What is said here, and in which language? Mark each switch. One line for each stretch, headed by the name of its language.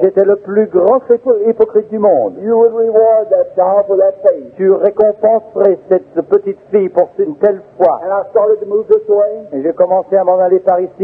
French: Si j'étais le plus grand hypocrite du monde.
English: You would reward that child for that faith.
French: Tu récompenserais cette petite fille pour une telle foi.
English: And I started to move this way.
French: Et j'ai commencé à m'en aller par ici.